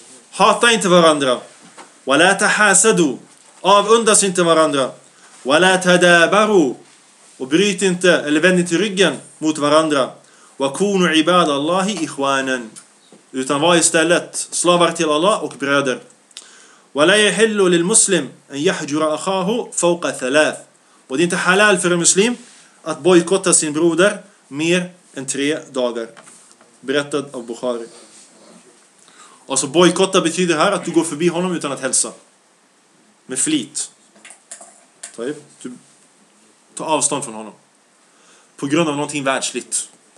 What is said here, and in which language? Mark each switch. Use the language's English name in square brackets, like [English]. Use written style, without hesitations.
[Swedish] Hata inte varandra. [Arabic] "Wa la tahasadu." [Swedish] Avundas inte varandra. [Arabic] "Wa la tadabaru." [Swedish] Och bryt inte eller vänd inte ryggen mot varandra. [Arabic] "Wa kunu ibadallahi ikhwanan." [Swedish] Utan var istället slavar till Allah och bröder. [Arabic] ولا يحل للمسلم ان يحجر اخاه فوق ثلاث. [Swedish] Och det är inte halal för en muslim att bojkotta sin broder mer än 3 dagar. Berättad av Bukhari. Alltså bojkotta betyder här att du går förbi honom utan att hälsa. Med flit. Du tar avstånd från honom. På grund av någonting världsligt.